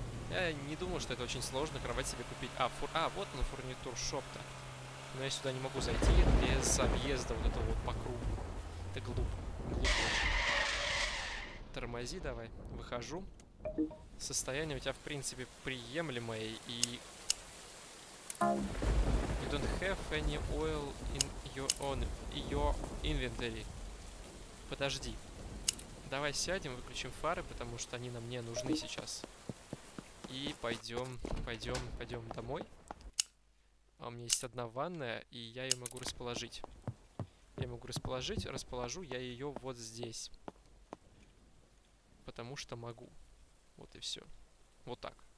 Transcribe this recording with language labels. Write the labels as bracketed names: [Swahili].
[Russian] Я не думаю, что это очень сложно, кровать себе купить. А вот на фурнитур шоп-то. Но я сюда не могу зайти без объезда вот этого вот по кругу. Это глупо. Глупо очень. Тормози давай. Выхожу. Состояние у тебя, в принципе, приемлемое и... [English] You don't have any oil in your, own, your inventory. [Russian] Подожди. Давай сядем, выключим фары, потому что они нам не нужны сейчас. И пойдем домой. А у меня есть одна ванная, и я ее могу расположить. Расположу я ее вот здесь. Потому что могу. Вот и все. Вот так.